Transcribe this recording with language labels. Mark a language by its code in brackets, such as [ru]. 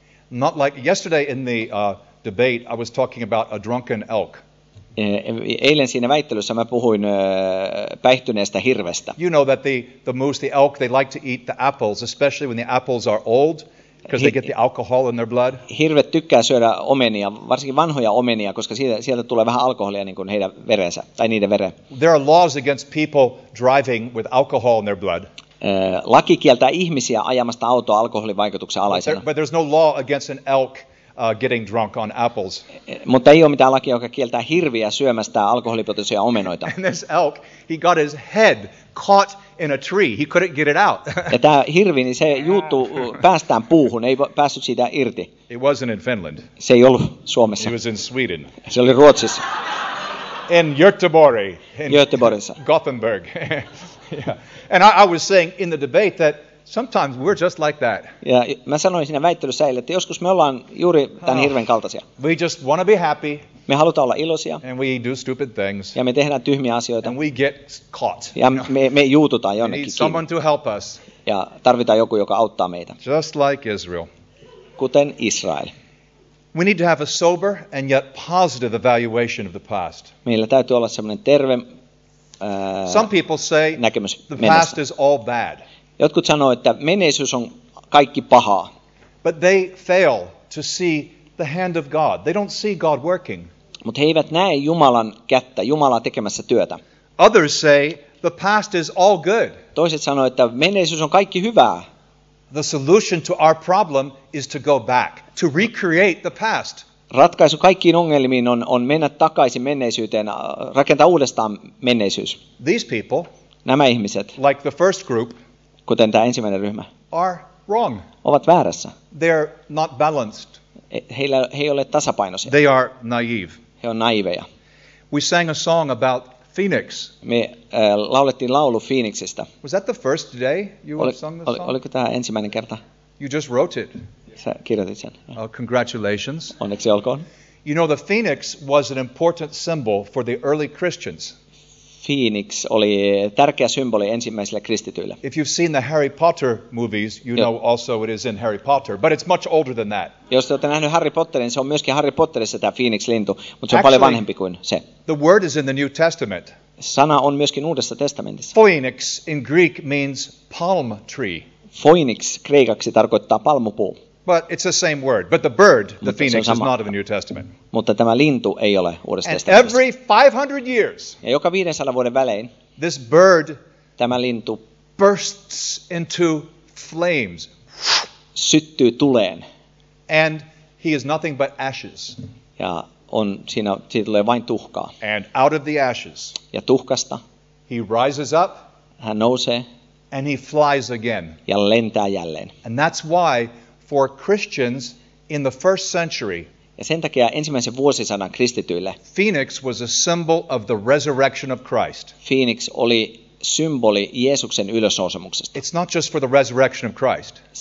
[en] Not like yesterday in the debate I was talking about a drunken elk. [fi] Eilen siinä väittelyssä mä puhuin päihtyneestä hirvestä. [en] You know that the moose, the elk, they like to eat the apples, especially when the apples are old, because they get the alcohol in their blood. [fi] Hirvet tykkää syödä omenia, varsinkin vanhoja omenia, koska sieltä tulee vähän alkoholia niin kuin heidän verensä, tai niiden veren. [en] There are laws against people driving with alcohol in their blood. [fi] Laki kieltää ihmisiä ajamasta autoa alkoholin vaikutuksen alaisena. [en] But there's no law against an elk getting drunk on apples. [fi] Mutta ei ole mitään lakia, joka kieltää hirviä syömästä alkoholipitoisia omenoita. [en] And this elk, he got his head caught in a tree. He couldn't get it out. [fi] Ja tämä hirvi, niin se juuttuu päästään puuhun, ei päässyt siitä irti. [en] It wasn't in Finland. [fi] Se ei ollut Suomessa. [en] It was in Sweden. [fi] Se oli Ruotsissa. [en] In Göteborg. [fi] In Göteborgissa. [en] Gothenburg. Yeah. And I was saying in the debate that sometimes we're just like that. [fi] Ja mä sanoin siinä väittelyssä eilen, että joskus me ollaan juuri tämän hirven kaltaisia. [en] We just want to be happy. [fi] Me halutaan olla iloisia. [en] And we do stupid things. [fi] Ja me tehdään tyhmiä asioita. [en] And we get caught. [fi] Ja me juututaan jonnekin. [en] We need someone to help us. [fi] Ja tarvitaan joku, joka auttaa meitä. [en] Just like Israel. [fi] Kuten Israel. [en] We need to have a sober and yet positive evaluation of the past. [fi] Meillä täytyy olla semmoinen terve [en] some people say the past is all bad. [fi] Jotkut sanoo, että menneisyys on kaikki pahaa. [en] But they fail to see the hand of God. They don't see God working. [fi] Mut he eivät näe Jumalan kättä, Jumalaa tekemässä työtä. [en] Others say the past is all good. [fi] Toiset sanoo, että menneisyys on kaikki hyvää. [en] The solution to our problem is to go back, to recreate the past. [fi] Ratkaisu kaikkiin ongelmiin on mennä takaisin menneisyyteen, rakentaa uudestaan menneisyys. [en] These people, [fi] nämä ihmiset, [en] like the first group, [fi] kuten tämä ensimmäinen ryhmä, [en] are wrong. [fi] Ovat väärässä. [en] They're not balanced. [fi] He ei ole tasapainoisia. [en] They are naive. [fi] He on naiveja. [en] We sang a song about Phoenix. [fi] Me laulettiin laulu Phoenixista. [en] Was that the first day you sung the song? [fi] Oliko tämä ensimmäinen kerta? [en] You just wrote it. [fi] Sä kirjoitit sen. [en] Congratulations. [fi] Onneksi olkoon. [en] You know, the phoenix was an important symbol for the early Christians. [fi] Phoenix oli tärkeä symboli ensimmäisille kristityille. [en] If you've seen the Harry Potter movies, you know also it is in Harry Potter, but it's much older than that. [fi] Jos olette nähneet Harry Potterin, se on myöskin Harry Potterissa tämä Phoenix-lintu, mutta se on paljon vanhempi kuin se. [en] The word is in the New Testament. [fi] Sana on myöskin Uudessa testamentissa. [en] Phoenix in Greek means palm tree. [fi] Phoenix kreikaksi tarkoittaa palmupuu. [en] But it's the same word. But the bird, the phoenix, is not of the New Testament. [fi] Mutta tämä lintu ei ole Uudessa testamentissa. [en] Every 500 years. [fi] Ja joka 500 vuoden välein. [en] This bird. [fi] Tämä lintu. [en] Bursts into flames. [fi] Syttyy tuleen. [en] And he is nothing but ashes. [fi] Ja on siinä tulee vain tuhkaa. [en] And out of the ashes. [fi] Ja tuhkasta. [en] He rises up. [fi] Hän nousee. [en] And he flies again. [fi] Ja lentää jälleen. [en] And that's why for Christians in the first century. [fi] Ja sen takia ensimmäisen vuosisadan kristityille. [en] Phoenix was a symbol of the resurrection of Christ. [fi] Phoenix oli symboli Jeesuksen ylösnousemuksesta. [en] It's not just for the resurrection of Christ.